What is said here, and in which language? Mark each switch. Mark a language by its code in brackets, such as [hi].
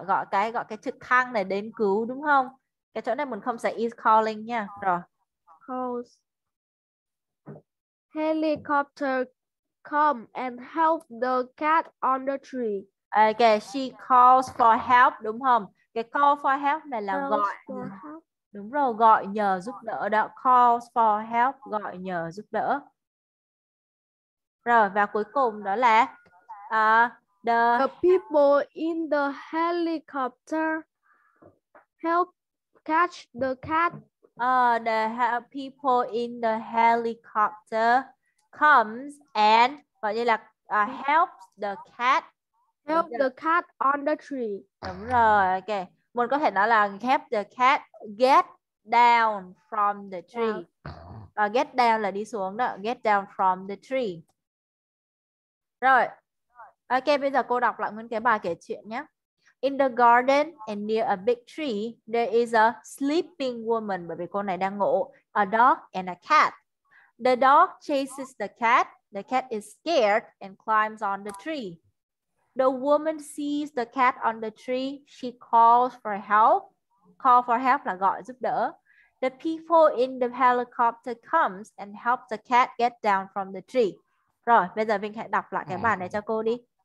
[vi] Gọi cái trực thăng này đến cứu đúng không? Cái chỗ này mình không [en] say is calling [vi] nha. Rồi. [en] Calls. Helicopter come and help the cat on the tree. Okay, she calls for help [vi] đúng không? Cái call for help này là gọi. Đúng rồi, gọi nhờ giúp đỡ đó. [en] Calls for help, [vi] gọi nhờ giúp đỡ. Rồi và cuối cùng đó là the [en] people in the helicopter help catch the cat. The people in the helicopter comes and [vi] gọi như là [en] helps the cat. Help the cat on the tree. [vi] Đúng rồi, ok. Mình có thể nói là [en] help the cat get down from the tree. Yeah. Get down [vi] là đi xuống đó. [en] Get down from the tree. Rồi. [vi] Ok, bây giờ cô đọc lại nguyên cái bài kể chuyện nhé. [en] In the garden and near a big tree, there is a sleeping woman. [vi] Bởi vì cô này đang ngủ. [en] A dog and a cat. The dog chases the cat. The cat is scared and climbs on the tree. The woman sees the cat on the tree. She calls for help. Call for help [vi] là gọi giúp đỡ. [en] The people in the helicopter comes and help the cat get down from the tree. [vi] Rồi, bây giờ Vinh hãy đọc lại cái bản này cho cô đi.